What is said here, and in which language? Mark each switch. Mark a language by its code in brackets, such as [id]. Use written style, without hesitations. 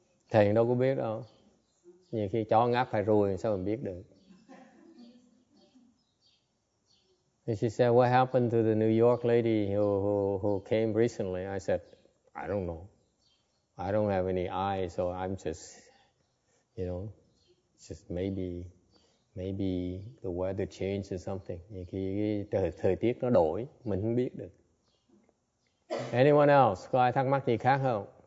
[vi] Thầy đâu có biết đâu. Nhiều khi chó ngáp phải ruồi sao mình biết được. [en] And she said, what happened to the New York lady who came recently? I said, I don't know. I don't have any eyes, so I'm just, you know, just maybe the weather changed or something. [vi] Nhiều khi thời tiết nó đổi, mình không biết được. [en] Anyone else? [vi] Có ai thắc mắc gì khác không?